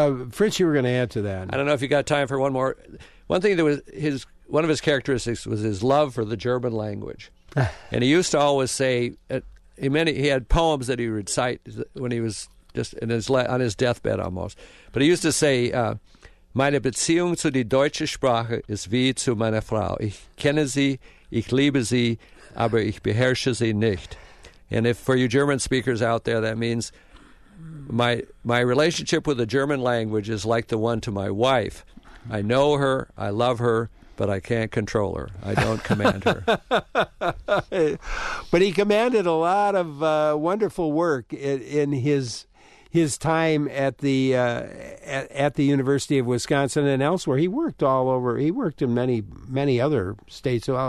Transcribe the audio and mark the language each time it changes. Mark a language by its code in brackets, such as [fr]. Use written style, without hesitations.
[en] Fritz, you were going to add to that. I don't know if you got time for one more. One thing one of his characteristics was his love for the German language. And he used to always say, he had poems that he would recite when he was just on his deathbed almost. But he used to say, [de] meine Beziehung zu die deutsche Sprache ist wie zu meiner Frau. Ich kenne sie, ich liebe sie, aber ich beherrsche sie nicht. [en] And if for you German speakers out there, that means my relationship with the German language is like the one to my wife. I know her, I love her, but I can't control her. I don't command her. But he commanded a lot of wonderful work in his time at the University of Wisconsin and elsewhere. He worked all over. He worked in many, many other states,